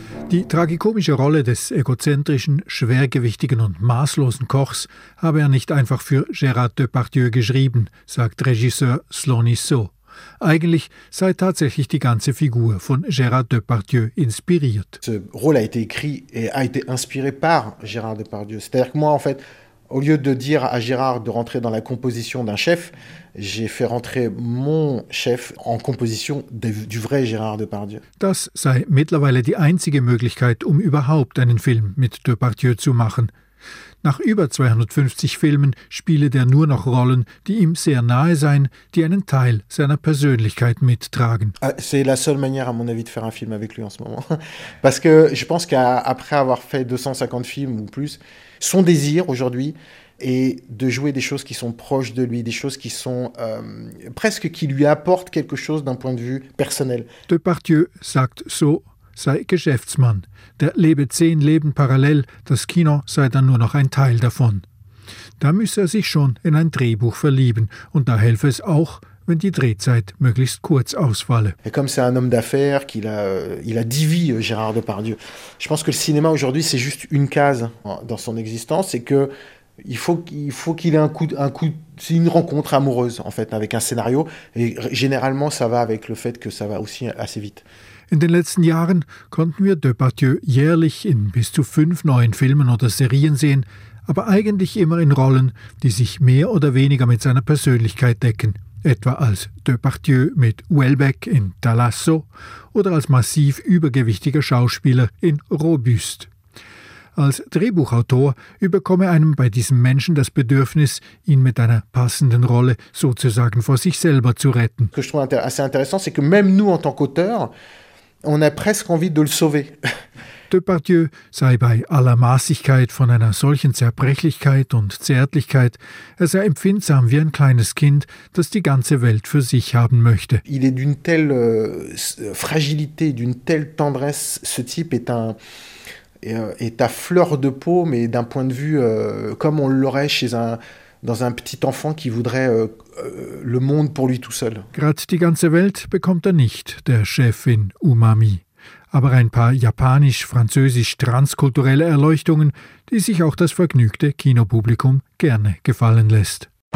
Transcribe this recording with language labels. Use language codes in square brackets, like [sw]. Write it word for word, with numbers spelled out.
[de] Die tragikomische Rolle des egozentrischen, schwergewichtigen und maßlosen Kochs habe er nicht einfach für Gérard Depardieu geschrieben, sagt Regisseur Sloniso. Eigentlich sei tatsächlich die ganze Figur von Gérard Depardieu inspiriert. [fr] Ce rôle a été écrit et a été inspiré par Gérard Depardieu. C'est-à-dire que moi, en fait, au lieu de dire à Gérard de rentrer dans la composition d'un chef, j'ai fait rentrer mon chef en composition de, du vrai Gérard Depardieu. [de] Das sei mittlerweile die einzige Möglichkeit, um überhaupt einen Film mit Depardieu zu machen. Nach über zweihundertfünfzig Filmen spiele der nur noch Rollen, die ihm sehr nahe seien, die einen Teil seiner Persönlichkeit mittragen. [fr] C'est la seule manière, à mon avis, de faire un film avec lui en ce moment. Parce que je pense qu'après avoir fait deux cent cinquante films ou plus, son désir aujourd'hui est de jouer des choses qui sont proches de lui, des choses qui sont euh, presque qui lui apportent quelque chose d'un point de vue personnel. [de] Depardieu sagt so: sei Geschäftsmann. Der lebe zehn Leben parallel, das Kino sei dann nur noch ein Teil davon. Da müsse er sich schon in ein Drehbuch verlieben und da helfe es auch, wenn die Drehzeit möglichst kurz ausfalle. [fr] Et comme c'est un homme d'affaires, qu'il a, il a dix vies, Gérard Depardieu. Je pense que le cinéma aujourd'hui, c'est juste une case dans son existence, et que Il faut, il faut qu'il ait un coup, un coup, c'est une rencontre amoureuse en fait avec un scénario, et généralement ça va avec le fait que ça va aussi assez vite. [de] In den letzten Jahren konnten wir Depardieu jährlich in bis zu fünf neuen Filmen oder Serien sehen, aber eigentlich immer in Rollen, die sich mehr oder weniger mit seiner Persönlichkeit decken, etwa als Depardieu mit Houellebecq in Talasso oder als massiv übergewichtiger Schauspieler in Robuste. Als Drehbuchautor überkomme einem bei diesem Menschen das Bedürfnis, ihn mit einer passenden Rolle sozusagen vor sich selber zu retten. [fr] Ce que je trouve assez intéressant, c'est que même nous, en tant qu'auteurs, on a presque envie de le sauver. [de] Depardieu sei bei aller Maßigkeit von einer solchen Zerbrechlichkeit und Zärtlichkeit, er sei empfindsam wie ein kleines Kind, das die ganze Welt für sich haben möchte. [fr] Il est d'une telle euh, fragilité, d'une telle tendresse, ce type est un... est à fleur de peau, mais d'un point de vue euh, comme on l'aurait chez un, dans un petit enfant qui voudrait euh, euh, le monde pour lui tout seul. [de] Gerade die ganze Welt bekommt er nicht, der Chef in Umami. Aber ein paar japanisch-französisch-transkulturelle Erleuchtungen, die sich auch das vergnügte Kinopublikum gerne gefallen lässt.